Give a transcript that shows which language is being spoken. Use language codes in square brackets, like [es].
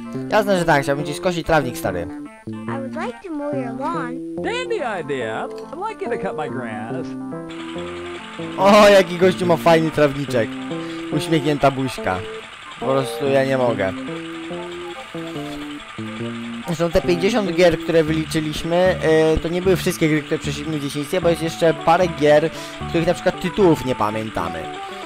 [pl] Jasne, że tak, chciałbym ci skosić trawnik, stary. [en] I would like to mow your lawn. Dandy idea. I'd like you to cut my grass. [pl] O, jaki gościu ma fajny trawniczek. Uśmiechnięta buźka. Po prostu ja nie mogę. Są te 50 gier, które wyliczyliśmy, to nie były wszystkie gry, które przeszliśmy w dzieciństwie, bo jest jeszcze parę gier, których na przykład tytułów nie pamiętamy.